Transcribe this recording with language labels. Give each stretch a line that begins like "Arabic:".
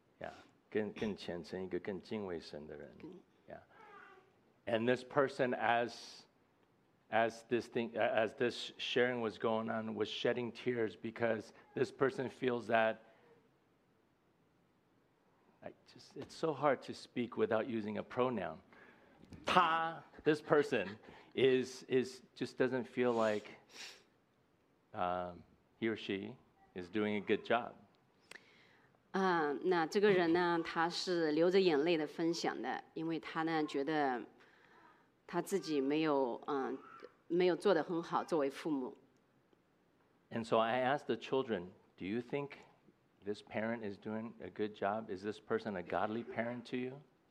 Chinese: Yeah, 更虔诚，一个更敬畏神的人。
English: And this person, as this sharing was going on, was shedding tears because this person feels that it's so hard to speak without using a pronoun. Ta, this person, is just doesn't feel like he or she is doing a good job.
Chinese: 那这个人呢，他是流着眼泪的分享的，因为他呢觉得。他自己没有做得很好作为父母。
English: And so I asked the children, do you think this parent is doing a good job? Is this person a godly parent to you?